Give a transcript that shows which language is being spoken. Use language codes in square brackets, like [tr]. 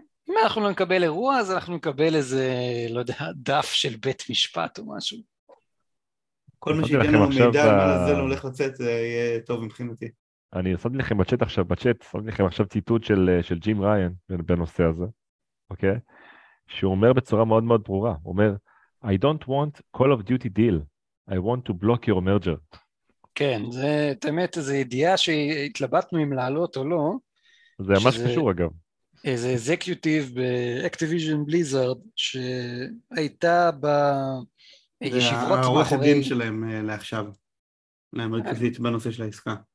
[he] אם אנחנו לא נקבל אירוע, אז אנחנו נקבל איזה, לא יודע, דף של בית משפט או משהו. כל מה שיגן לנו מידע, מה לזה הולך לצאת, יהיה טוב מבחינתי. אני אשמתי לכם בצ'אט עכשיו, אשמתי לכם עכשיו ציטוט של ג'ים ריין בנושא הזה, אוקיי? שהוא אומר בצורה מאוד מאוד ברורה, הוא אומר, [en] I don't want Call of Duty deal, I want to block your merger. [he] כן, זה, את האמת, זו ידיעה שהתלבטנו אם לעלות או לא. זה ממש קשור אגב. איזה אקזקיוטיב באקטיביז'ן בליזרד, שהייתה בישיבות מאחורי... זה העורך הדין שלהם לעכשיו, למרכזית בנושא של העסקה.